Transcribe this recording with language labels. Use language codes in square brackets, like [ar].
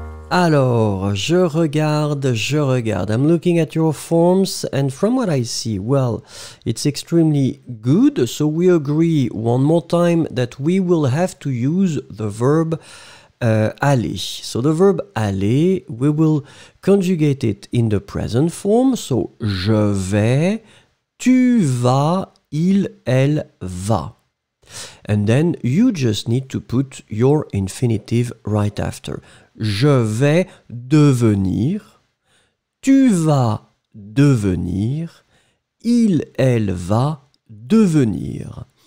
[fr] Alors, je regarde. [en] I'm looking at your forms, and from what I see, well, it's extremely good. So we agree one more time that we will have to use the verb aller. So the verb aller, we will conjugate it in the present form. [fr] So je vais, tu vas, il, elle va. [en] And then you just need to put your infinitive right after. [fr] Je vais devenir, tu vas devenir, il, elle va devenir.